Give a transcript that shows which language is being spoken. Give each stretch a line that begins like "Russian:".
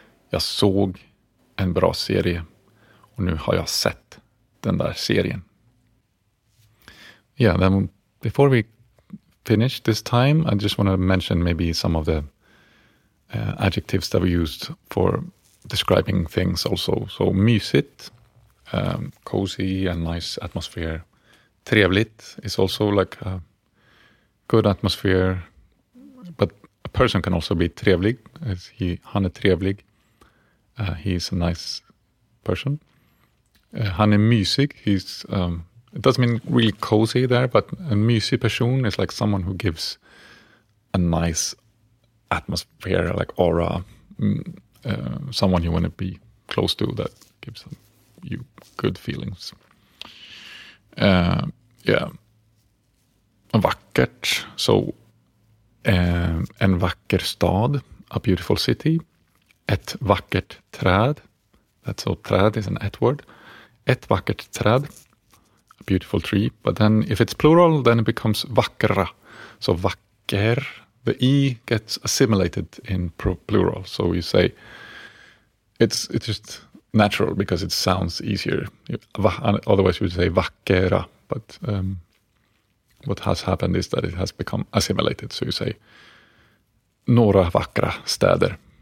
Swedish: Jag såg en bra serie och nu har jag sett den där serien.
English: Yeah, then before we finish this time, I just want to mention maybe some of the adjectives that we used for describing things also. So mysigt, cozy and nice atmosphere. Trevligt is also like a good atmosphere. But a person can also be trevlig, as he,
Swedish: han är trevlig.
English: He's a nice person.
Swedish: Han är mysig.
English: He's, it doesn't mean really cozy there, but a mysig person is like someone who gives a nice atmosphere, like aura, someone you want to be close to that gives you good feelings. Yeah. Vackert. So,
Swedish: en vacker stad,
English: a beautiful city.
Swedish: Ett vackert träd.
English: That's so träd is an ett word.
Swedish: Ett vackert träd.
English: A beautiful tree. But then if it's plural, then it becomes vackra. So vacker. The E gets assimilated in plural. So you say, it's just natural because it sounds easier. Otherwise you would say vackra. But what has happened is that it has become assimilated. So you say,
Swedish: några vackra städer.